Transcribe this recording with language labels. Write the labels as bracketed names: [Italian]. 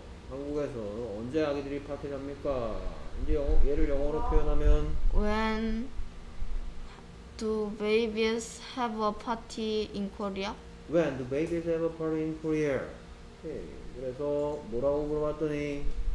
[Korean] 한국에서 언제 아기들이 파티를 합니까? 이제 얘를 영어로 표현하면 [English] When do babies have a party in Korea? When do babies have a party in Korea? Okay. [Korean] 그래서 뭐라고 물어봤더니